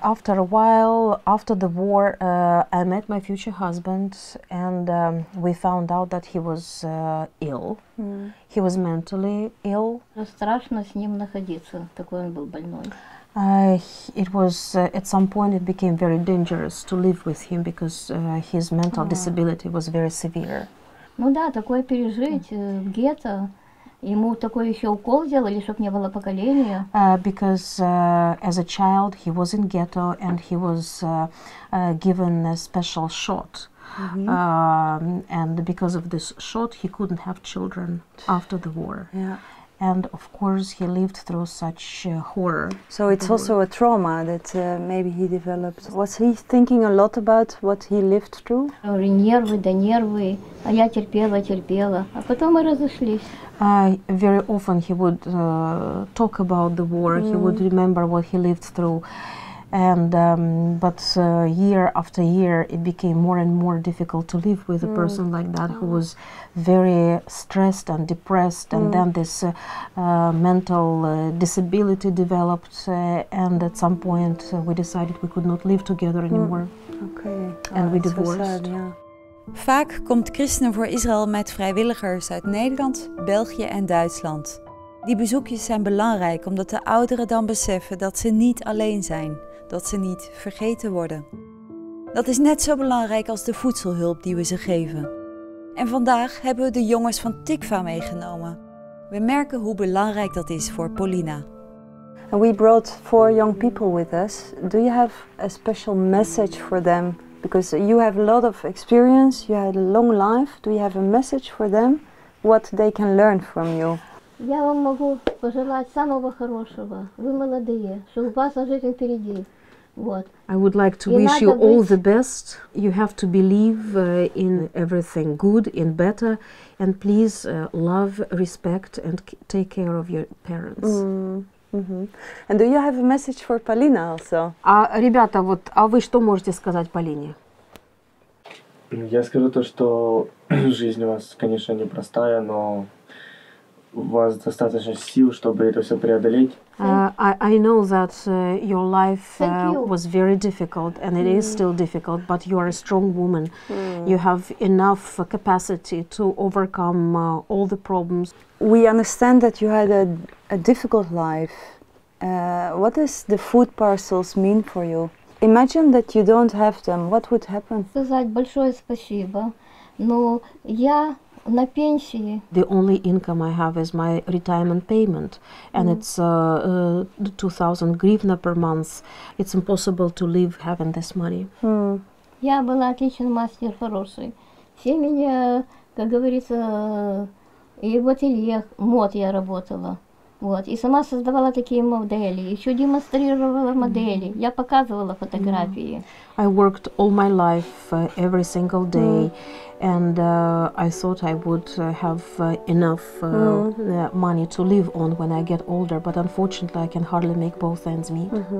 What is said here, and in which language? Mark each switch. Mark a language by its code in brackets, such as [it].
[en] After a while, after the war, I met my future husband, and we found out that he was ill. He was mentally ill. [ru] Страшно с ним находиться, такой он был больной. [en] It was at some point it became very dangerous to live with him because his mental disability was very severe. [ru] Ну да, такое пережить в гетто. Ему такой еще укол сделали, чтобы не было поколения. [en] Because as a child he was in ghetto and he was given a special shot. And because of this shot he couldn't have children after the war. Yeah. And of course he lived through such horror. So it's also a trauma that maybe he developed. Was he thinking a lot about what he lived through? [ru] Нервы, да нервы. А я терпела, терпела. А потом мы разошлись. [en] Very often he would talk about the war, he would remember what he lived through, and but year after year it became more and more difficult to live with a person like that who was very stressed and depressed, and then this mental disability developed, and at some point we decided we could not live together anymore. Okay. And we divorced. So sad, yeah. [nl] Vaak komt Christenen voor Israël met vrijwilligers uit Nederland, België en Duitsland. Die bezoekjes zijn belangrijk omdat de ouderen dan beseffen dat ze niet alleen zijn, dat ze niet vergeten worden. Dat is net zo belangrijk als de voedselhulp die we ze geven. En vandaag hebben we de jongens van Tikva meegenomen. We merken hoe belangrijk dat is voor Paulina. [en] We brought four young people with us. Do you have a special message for them? Because you have a lot of experience, you had a long life. Do you have a message for them? What they can learn from you? [ru] Я вам могу пожелать самого хорошего. Вы молодые, чтобы у вас жизнь впереди. [en] I would like to wish you all the best. You have to believe in everything good, in better, and please love, respect, and take care of your parents. Mm-hmm. And do you have a message for Paulina also? [ru] А ребята, вот, а вы что можете сказать Полине? Я скажу то, что жизнь у вас, конечно, непростая, но у вас достаточно сил, чтобы это все преодолеть. [en] I know that your life was very difficult, and it is still difficult, but you are a strong woman. Mm. You have enough capacity to overcome all the problems. We understand that you had a difficult life. What does the food parcels mean for you? Imagine that you don't have them. What would happen? [ru] Сказать большое спасибо, но я... На пенсии. [en] The only income I have is my retirement payment, and it's 2,000 гривна per month. It's impossible to live having this money. [ru] Я была отличный мастер, хороший. Все меня, как говорится, и в ателье мод я работала. Вот. И сама создавала такие модели, еще демонстрировала модели, я показывала фотографии. [en] I worked all my life, every single day, and I thought I would have enough money to live on when I get older, but unfortunately I can hardly make both ends meet.